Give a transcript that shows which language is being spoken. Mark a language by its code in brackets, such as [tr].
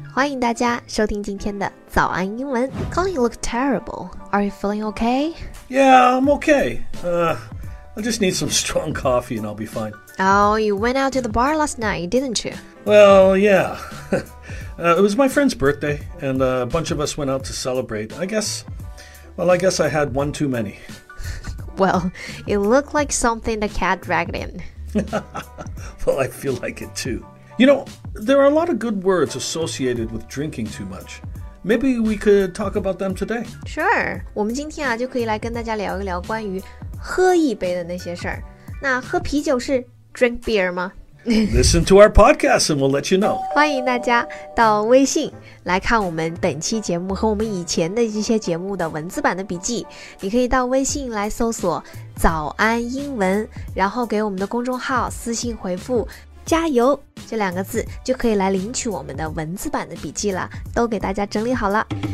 [zh] 欢迎大家收听今天的早安英文。 [en] Colin, you look terrible. Are you feeling okay? Yeah, I'm okay. I just need some strong coffee and I'll be fine. Oh, you went out to the bar last night, didn't you? Well, yeah. it was my friend's birthday, and a bunch of us went out to celebrate. I guess I had one too many. Well, it looked like something the cat dragged in. Well, I feel like it too. You know, there are a lot of good words associated with drinking too much. Maybe we could talk about them today. Sure. [zh] 我们今天啊就可以来跟大家聊一聊关于喝一杯的那些事儿。那喝啤酒是 [en] drink beer [zh] 吗？ [en] Listen to our podcast and we'll let you know. [zh] 欢迎大家到微信来看我们本期节目和我们以前的一些节目的文字版的笔记。你可以到微信来搜索早安英文，然后给我们的公众号私信回复加油这两个字就可以来领取我们的文字版的笔记了，都给大家整理好了。